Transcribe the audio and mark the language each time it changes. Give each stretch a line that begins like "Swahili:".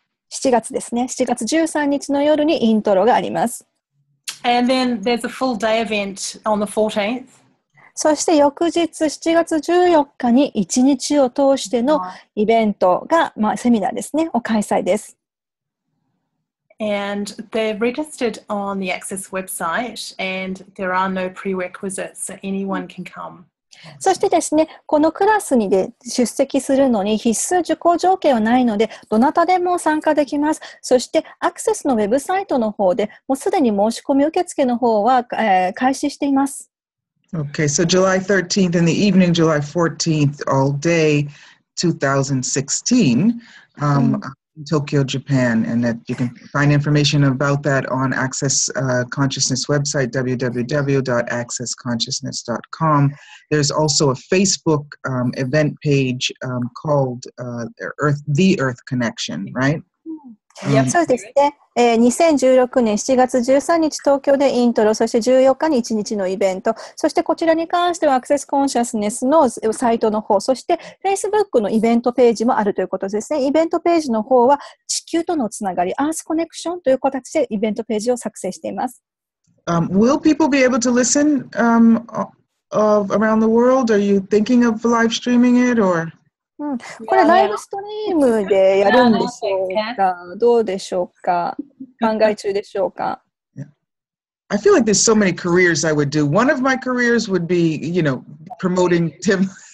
Japanese: 7月ですね。 7月13日の夜にイントロがあります。
English: And then there's a full day event on the 14th.
Japanese: そして翌日7月14日に1日を通してのイベントが、まあ、セミナーですね、を開催です。
English: And they're registered on the Access website and there are no prerequisites, so anyone can come.
Japanese: そしてですね、このクラスに出席するのに必須受講条件はないので、どなたでも参加できます。そして、アクセスのウェブサイトの方で、もうすでに申し込み受付の方は、開始しています。
English: Okay, so July 13th in the evening, July 14th, all day 2016, in Tokyo, Japan. And that you can find information about that on Access Consciousness website, www.accessconsciousness.com. There's also a Facebook event page called The Earth Connection, right? Yep.
Japanese: そうですね。 2016年7月13日東京でイントロ、そして14日に1日のイベント、そしてこちらに関してはアクセスコンシャスネスのサイトの方、そして Facebook のイベントページもあるということですね。イベントページの方は地球とのつながり、Earth Connection という形でイベントページを作成しています。
English: Will people be able to listen around the world? Are you thinking of live streaming it or?
Japanese: これライブストリームでやるんでしょうか、どうでしょうか、考え中でしょうか。
English: I feel like there's so many careers I would do. One of my careers would be, you know, promoting Tim.